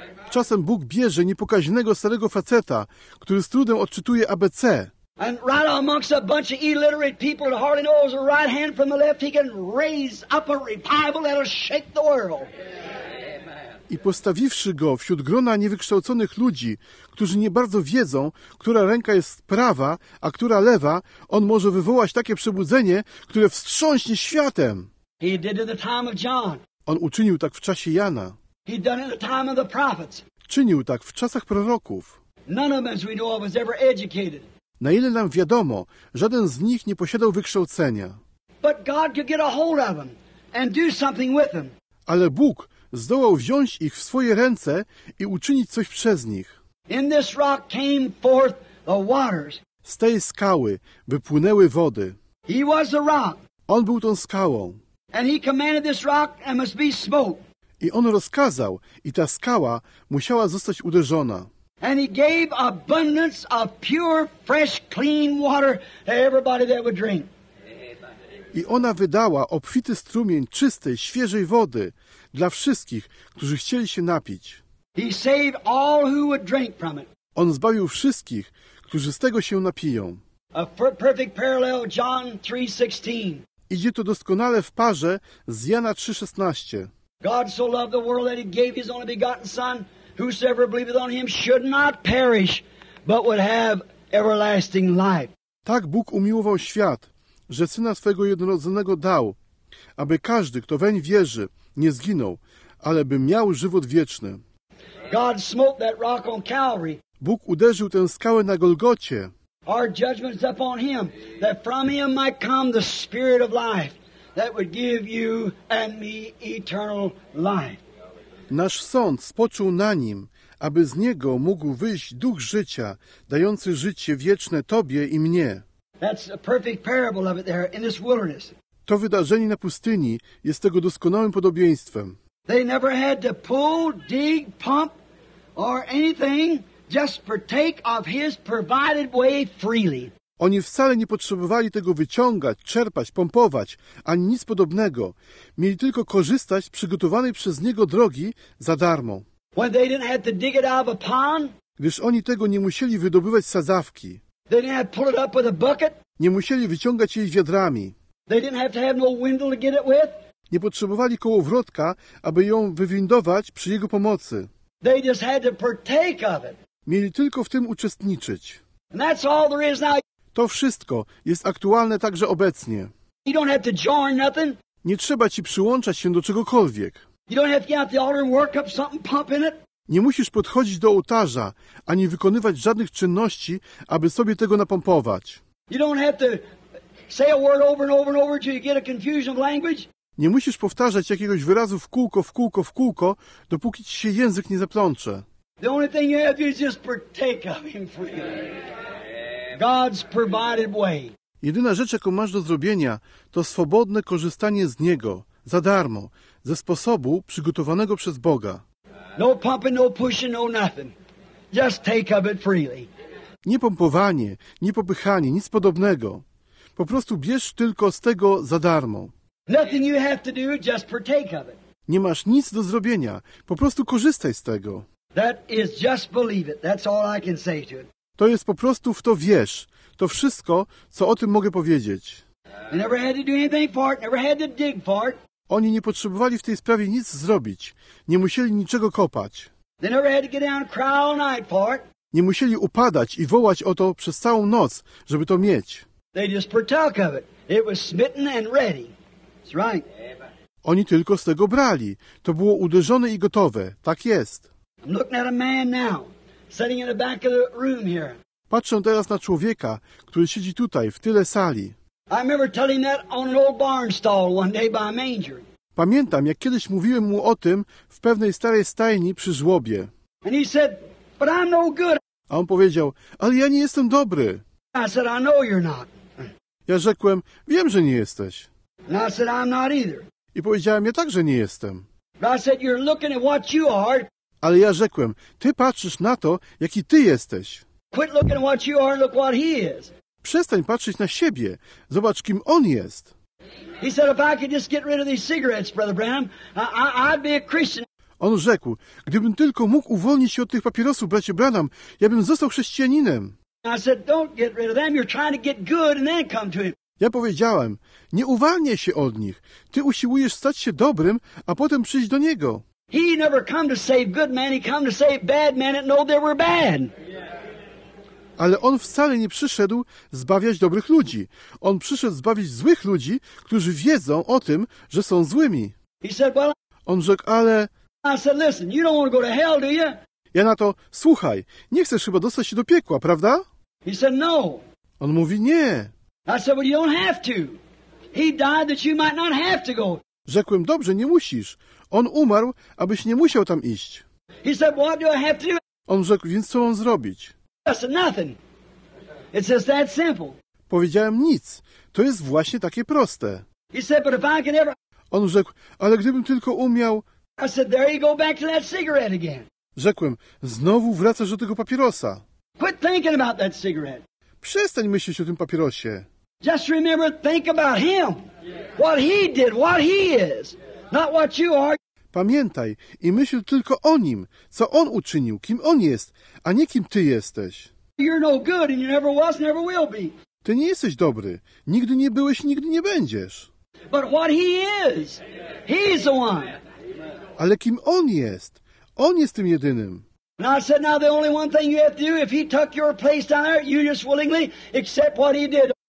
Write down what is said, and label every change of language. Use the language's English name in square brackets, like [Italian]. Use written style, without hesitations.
[Polish] Czasem Bóg bierze niepokaźnego starego faceta, który z trudem odczytuje ABC. [English] And right amongst a bunch of illiterate people that hardly knows a right hand from the left, he can raise up a revival that'll shake the world. [Polish] I postawiwszy go wśród grona niewykształconych ludzi, którzy nie bardzo wiedzą, która ręka jest prawa, a która lewa, on może wywołać takie przebudzenie, które wstrząśnie światem. [English] He did it in the time of John. [Polish] On uczynił tak w czasie Jana. [English] He done in the time of the prophets. [Polish] Czynił tak w czasach proroków. [English] None of them, as we know of, was ever educated. [Polish] Na ile nam wiadomo, żaden z nich nie posiadał wykształcenia. [English] But God could get a hold of them and do something with them. [Polish] Ale Bóg zdołał wziąć ich w swoje ręce i uczynić coś przez nich. [English] In this rock came forth the waters. [Polish] Z tej skały wypłynęły wody. [English] He was the rock. [Polish] On był tą skałą. [English] And he commanded this rock and must be smote. [Polish] I on rozkazał, i ta skała musiała zostać uderzona. [English] And he gave abundance of pure, fresh, clean water to everybody that would drink. [Polish] I ona wydała obfity strumień czystej, świeżej wody dla wszystkich, którzy chcieli się napić. [English] He saved all who would drink from it. [Polish] On zbawił wszystkich, którzy z tego się napiją. [English] A perfect parallel, John 3:16. [Polish] Idzie to doskonale w parze z Jana 3:16. [English] God so loved the world that he gave his only begotten son, whosoever believeth on him should not perish, but would have everlasting life. [Polish] Tak Bóg umiłował świat, że Syna swego jednorodzonego dał, aby każdy, kto weń wierzy, nie zginął, ale by miał żywot wieczny. [English] God smote that rock on Calvary. [Polish] Bóg uderzył tę skałę na Golgocie. [English] Our judgment is upon him, that from him might come the spirit of life, that would give you and me eternal life. [Polish] Nasz sąd spoczął na nim, aby z niego mógł wyjść duch życia, dający życie wieczne tobie i mnie. [English] That's a perfect parable of it there in this wilderness. [Polish] To wydarzenie na pustyni jest tego doskonałym podobieństwem. [English] They never had to pull, dig, pump or anything. Just partake of his provided way freely. [Polish] Oni wcale nie potrzebowali tego wyciągać, czerpać, pompować, ani nic podobnego. Mieli tylko korzystać z przygotowanej przez niego drogi za darmo. [English] When they didn't have to dig it out of a pond, [Polish] gdyż oni tego nie musieli wydobywać z sadzawki. [English] They didn't have to pull it up with a bucket. [Polish] Nie musieli wyciągać jej wiadrami. [English] They didn't have to have no windle to get it with. [Polish] Nie potrzebowali kołowrotka, aby ją wywindować przy jego pomocy. [English] They just had to partake of it. [Polish] Mieli tylko w tym uczestniczyć. [English] And that's all there is now. [Polish] To wszystko jest aktualne także obecnie. [English] You don't have to join nothing. [Polish] Nie trzeba ci przyłączać się do czegokolwiek. [English] You don't have to get out the altar and work up something, pump in it. [Polish] Nie musisz podchodzić do ołtarza ani wykonywać żadnych czynności, aby sobie tego napompować. [English] You don't have to say a word over and over and over till you get a confusion of language. [Polish] Nie musisz powtarzać jakiegoś wyrazu w kółko, w kółko, w kółko, dopóki ci się język nie zaplącze. [English] The only thing you have to do is just partake of him freely. God's provided way. [Polish] Jedyna rzecz, jaką masz do zrobienia, to swobodne korzystanie z niego, za darmo, ze sposobu przygotowanego przez Boga. [English] No pumping, no pushing, no nothing. Just take of it freely. [Polish] Nie pompowanie, nie popychanie, nic podobnego. Po prostu bierz tylko z tego za darmo. [English] Nothing you have to do, just partake of it. [Polish] Nie masz nic do zrobienia, po prostu korzystaj z tego. [English] That is just believe it. That's all I can say to it. [Polish] To jest po prostu w to wierz. To wszystko, co o tym mogę powiedzieć. [English] They never had to do anything for it. Never had to dig for it. [Polish] Oni nie potrzebowali w tej sprawie nic zrobić. Nie musieli niczego kopać. [English] They never had to get down and cry all night for it. [Polish] Nie musieli upadać i wołać o to przez całą noc, żeby to mieć. [English] They just partook of it. It was smitten and ready. That's right. [Polish] Oni tylko z tego brali. To było uderzone i gotowe. Tak jest. [English] I'm looking at a man now, sitting in the back of the room here. [Polish] Patrzę teraz na człowieka, który siedzi tutaj, w tyle sali. [English] I remember telling that on an old barn stall one day by a manger. [Polish] Pamiętam, jak kiedyś mówiłem mu o tym w pewnej starej stajni przy żłobie. [English] And he said, but I'm no good. [Polish] A on powiedział, ale ja nie jestem dobry. [English] I said, I know you're not. [Polish] Ja rzekłem, wiem, że nie jesteś. [English] And I said, I'm not either. [Polish] I powiedziałem, ja także nie jestem. [English] But I said, you're looking at what you are. [Polish] Ale ja rzekłem, ty patrzysz na to, jaki ty jesteś. [English] Quit looking at what you are, look what he is. [Polish] Przestań patrzeć na siebie. Zobacz, kim on jest. [English] He said, if I could just get rid of these cigarettes, Brother Branham, I'd be a Christian. [Polish] On rzekł, gdybym tylko mógł uwolnić się od tych papierosów, bracie Branham, ja bym został chrześcijaninem. [English] I said, don't get rid of them, you're trying to get good and then come to him. [Polish] Ja powiedziałem, nie uwalniaj się od nich. Ty usiłujesz stać się dobrym, a potem przyjść do niego. [English] He never come to save good men, he come to save bad men that know they were bad. [Polish] Ale on wcale nie przyszedł zbawiać dobrych ludzi. On przyszedł zbawić złych ludzi, którzy wiedzą o tym, że są złymi. [English] He said, well, [Polish] On rzekł, ale... [English] I said, listen, you don't want to go to hell, do you? [Polish] Ja na to, słuchaj, nie chcesz chyba dostać się do piekła, prawda? [English] He said, no. [Polish] On mówi, nie. [English] I said, well, you don't have to. He died that you might not have to go. [Polish] Rzekłem, dobrze, nie musisz. On umarł, abyś nie musiał tam iść. [English] He said, what do I have to do? [Polish] On rzekł, więc co mam zrobić? [English] I said, nothing. It's just that simple. [Polish] Powiedziałem, nic. To jest właśnie takie proste. [English] He said, but if I could ever... [Polish] On rzekł, ale gdybym tylko umiał... [English] I said, there you go back to that cigarette again. [Polish] Rzekłem, znowu wracasz do tego papierosa. [English] Quit thinking about that cigarette. [Polish] Przestań myśleć o tym papierosie. [English] Just remember, think about him. What he did, what he is. Not what you are. [Polish] Pamiętaj i myśl tylko o nim, co on uczynił, kim on jest, a nie kim ty jesteś. [English] You're no good and you never was, never will be. [Polish] Ty nie jesteś dobry. Nigdy nie byłeś, nigdy nie będziesz. [English] But what he is, he's the one. [Polish] Ale kim on jest? On jest tym jedynym. [English] And I said, now the only one thing you have to do, if he took your place down there, you just willingly accept what he did.